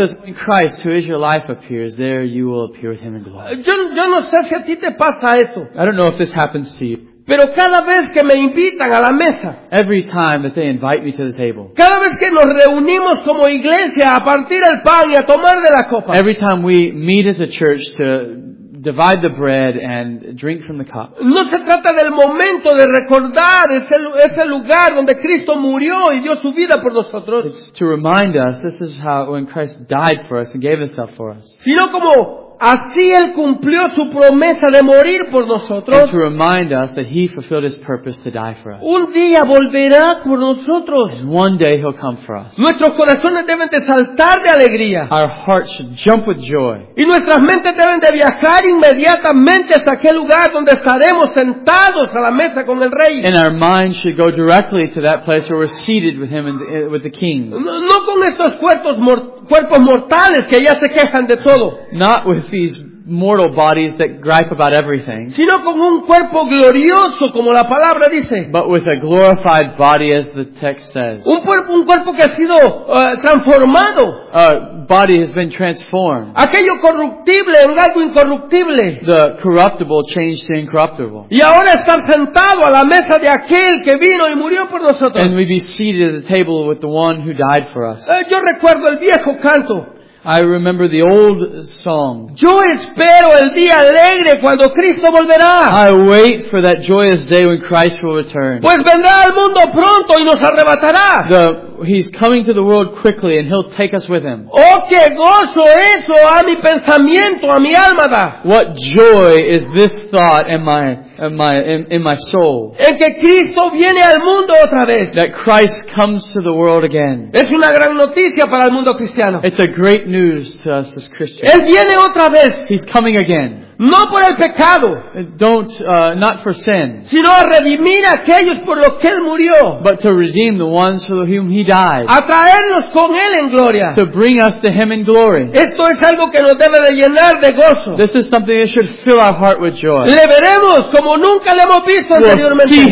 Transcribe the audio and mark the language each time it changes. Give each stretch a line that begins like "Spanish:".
English: So when Christ, who is your life, appears, there you will appear with him in glory.
Spanish: Yo no sé si a ti te pasa eso.
English: I don't know if this happens to you.
Spanish: Pero cada vez que me invitan a la mesa,
English: every time that they invite me to the table,
Spanish: cada vez que nos reunimos como iglesia a partir el pan y a tomar de la copa,
English: every time we meet as a church to divide the bread and drink from the cup,
Spanish: no se trata del momento de recordar ese lugar donde Cristo murió y dio su vida por nosotros.
English: It's to remind us this is how when Christ died for us and gave himself for us.
Spanish: Sino como así él cumplió su promesa de morir por nosotros.
English: And to remind us that he fulfilled his purpose to die for us.
Spanish: Un día volverá por nosotros.
English: And one day he'll come for us.
Spanish: Nuestros corazones deben de saltar de alegría.
English: Our hearts should jump with joy.
Spanish: Y nuestras mentes deben de viajar inmediatamente hasta aquel lugar donde estaremos sentados a la mesa con el rey.
English: And our minds should go directly to that place where we're seated with him and with the king.
Spanish: No con estos cuerpos mortales que ya se quejan de todo.
English: Not with these mortal bodies that gripe about everything,
Spanish: sino con un cuerpo glorioso, como la palabra dice.
English: But with a glorified body, as the text says.
Spanish: Un cuerpo que ha sido transformado.
English: A body has been transformed.
Spanish: Aquello corruptible en algo incorruptible.
English: The corruptible changed to incorruptible.
Spanish: Y ahora estar sentado a la mesa de aquel que vino y murió por nosotros.
English: And we be seated at the table with the one who died for us.
Spanish: Yo recuerdo el viejo canto.
English: I remember the old song.
Spanish: Yo espero el día alegre cuando Cristo volverá.
English: I wait for that joyous day when Christ will return.
Spanish: Pues vendrá al mundo pronto y nos arrebatará.
English: He's coming to the world quickly and he'll take us with him.
Spanish: Oh, qué gozo eso a mi pensamiento, a mi alma da.
English: What joy is this thought in my soul.
Spanish: En que Cristo viene al mundo otra vez.
English: That Christ comes to the world again.
Spanish: Es una gran noticia para el mundo cristiano.
English: It's a great news to us as Christians.
Spanish: Él viene otra vez.
English: He's coming again.
Spanish: No por el pecado.
English: Not for sin.
Spanish: Sino a redimir a aquellos por los que él murió.
English: But to redeem the ones for whom he died.
Spanish: A traernos con él en gloria.
English: To bring us to him in glory.
Spanish: Esto es algo que nos debe de llenar de gozo.
English: This is something that should fill our heart with joy.
Spanish: Le veremos como nunca le hemos visto anteriormente.